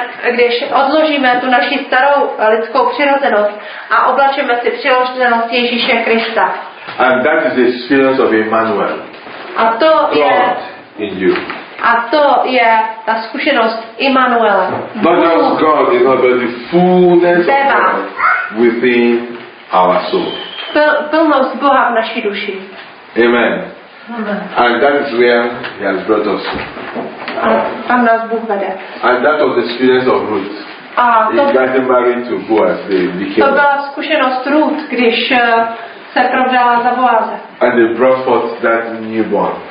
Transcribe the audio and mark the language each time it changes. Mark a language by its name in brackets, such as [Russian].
[Czech] Když odložíme tu naši starou lidskou přirozenost a oblačíme si přirozenost Ježíše Krista. [English] And that is the experience of Emmanuel. [Czech] A to [English] God [Czech] je [English] in you. [Czech] A to je ta zkušenost Emmanuela. [English] But now God is not the fullness of God within our soul. [Czech] Plnost Boha v naší duši. [English] Amen. And that is where he has brought us. [Czech] Tam nás Bůh vede. [English] And that was the experience of Ruth. [Czech] A to [English] in getting married to Boaz, they became. [Czech] To byla zkušenost Ruth, když se provdala za Boaze. [English] And they brought forth that newborn.